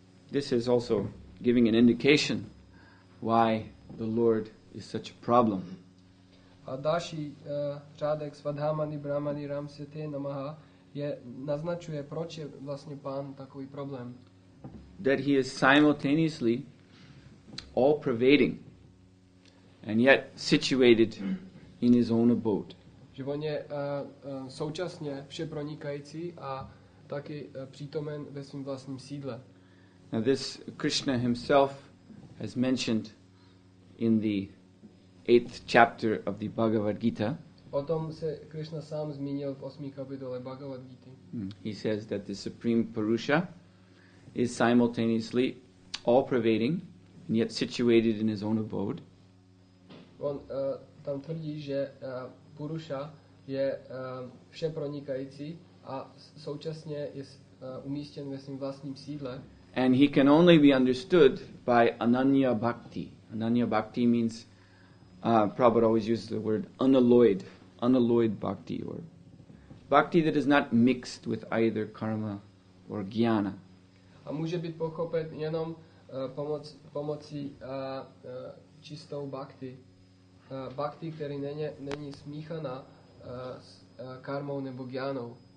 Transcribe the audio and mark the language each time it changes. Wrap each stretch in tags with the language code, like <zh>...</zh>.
<en>This is also giving an indication why the Lord is such a problem.</en> <cs>A další řádek</cs> <sa>Svadhamani Brahmani Ramsyate Namaha</sa> <cs>naznačuje, proč je vlastně pán takový problém.</cs> <en>That he is simultaneously all-pervading and yet situated in his own abode.</en> <cs>Že on je současně všepronikající a taky přítomen ve svým vlastním sídle.</cs> <en>Now this Krishna himself has mentioned in the 8th chapter of the Bhagavad Gita.</en> <cs>O tom se Krishna sám zmínil v 8. kapitole Bhagavad Gita.</cs> <en>He says that the Supreme Purusha is simultaneously all-pervading and yet situated in his own abode.</en> <cs>On tam tvrdí, že Purusha je všepronikající a současně je umístěn ve svým vlastním sídle.</cs> <en>And he can only be understood by Ananya Bhakti. Ananya Bhakti means, Prabhupada always uses the word unalloyed, unalloyed bhakti, or bhakti that is not mixed with either karma or jnana.</en> <cs>A může být pochopen jenom pomocí čistou bhakti. Bhakti, který není smíchaná s karmou nebo jnanou.</cs>